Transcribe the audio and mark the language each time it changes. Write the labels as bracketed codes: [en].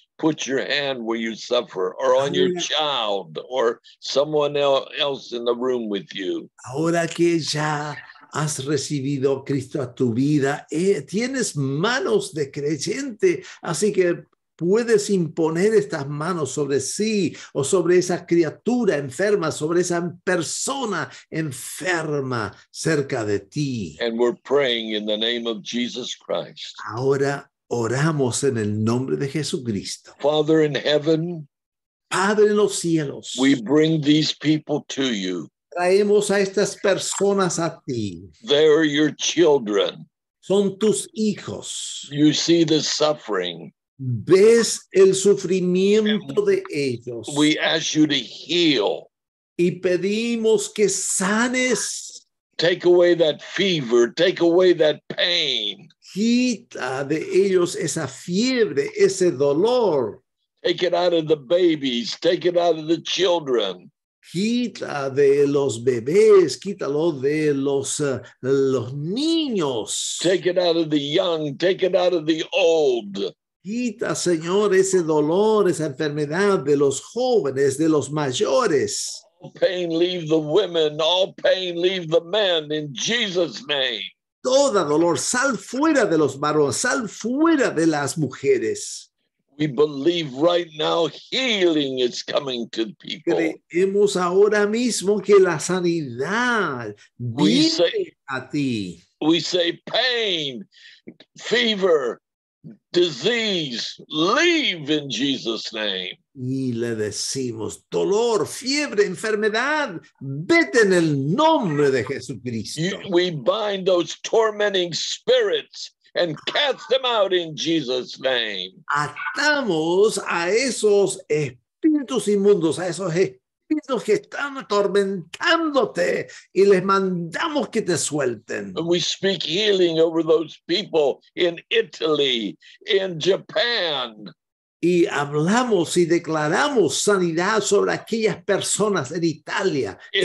[en] Put your hand where you suffer or on your child or someone else in the room with you. [es] Ahora que ya has recibido a Cristo a tu vida, tienes manos de creyente, así que puedes imponer estas manos sobre sí o sobre esa criatura enferma, sobre esa persona enferma cerca de ti. [en] And we're praying in the name of Jesus Christ. [es] Ahora oramos en el nombre de Jesucristo. [en] Father in heaven, [es] Padre en los cielos, [en] we bring these people to you. [es] Traemos a estas personas a ti. [en] They're your children. [es] Son tus hijos. [en] You see the suffering. [es] Ves el sufrimiento de ellos. [en] We ask you to heal. [es] Y pedimos que sanes. [en] Take away that fever. Take away that pain. [es] Quita de ellos esa fiebre, ese dolor. [en] Take it out of the babies. Take it out of the children. [es] Quita de los bebés, quítalo de los niños. [en] Take it out of the young, take it out of the old. [es] Quita, Señor, ese dolor, esa enfermedad de los jóvenes, de los mayores. [en] All pain leave the women, all pain leave the men, in Jesus' name. [es] Toda dolor, sal fuera de los varones, sal fuera de las mujeres. [en] We believe right now healing is coming to people. [es] Creemos ahora mismo que la sanidad viene a ti. [en] We say pain, fever, disease, leave in Jesus' name. [es] Y le decimos dolor, fiebre, enfermedad, vete en el nombre de Jesucristo. [en] We bind those tormenting spirits and cast them out in Jesus' name. [es] Atamos a esos espíritus inmundos, a esos espíritus que están atormentándote, y les mandamos que te suelten. [en] And we speak healing over those people in Italy, in Japan. [es] Y hablamos y declaramos sanidad sobre aquellas personas en Italia,